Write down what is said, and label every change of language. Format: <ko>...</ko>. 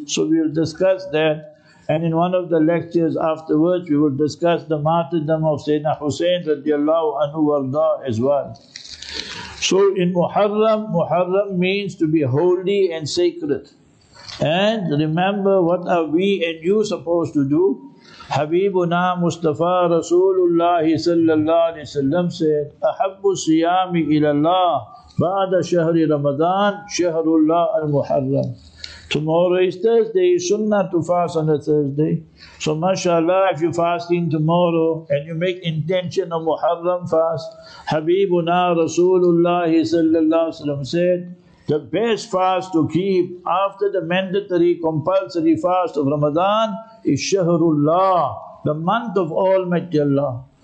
<en>So we'll discuss that. And in one of the lectures afterwards, we will discuss the martyrdom of Sayyidina Hussein radiallahu anhu warda as well. So in Muharram, Muharram means to be holy and sacred. And remember, what are we and you supposed to do?</en> <ar>Habibuna Mustafa Rasulullah sallallahu alayhi wa sallam said, أَحَبُّ السِّيَامِ إِلَى اللَّهِ بَعْدَ شَهْرِ رَمَضَانِ شَهْرُ اللَّهِ الْمُحَرَّمِ.</ar> <en>Tomorrow is Thursday, sunnah to fast on a Thursday. So mashallah, if you're fasting tomorrow and you make intention of Muharram fast, Habibuna Rasulullah sallallahu alayhi wa sallam said, the best fast to keep after the mandatory compulsory fast of Ramadan is Shahrullah, the month of Almighty Allah.</en>